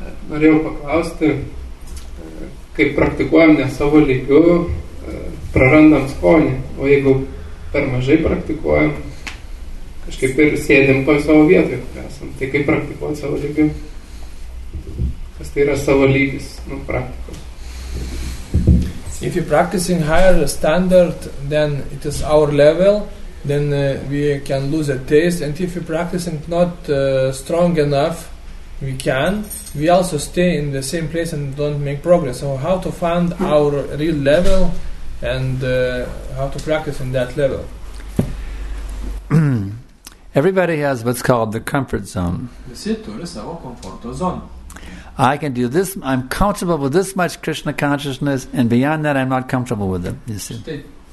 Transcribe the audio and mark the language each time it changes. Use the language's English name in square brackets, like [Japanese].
[Lithuanian] Norėjau paklausti, kai praktikuojam ne savo lygiu, prarandam skonį, o jeigu per mažai praktikuojam, kažkaip ir sėdim po savo vietoj, kur esam. Tai kaip praktikuot savo lygiu? [English] If you're practicing higher standard than it is our level, then we can lose a taste. And if you're practicing not strong enough, we can. We also stay in the same place and don't make progress. So how to find our real level and how to practice in that level? Everybody has what's called the comfort zone. [Lithuanian] Visi turi savo komforto zoną. [English] I can do this, I'm comfortable with this much Krishna consciousness, and beyond that I'm not comfortable with it, you see.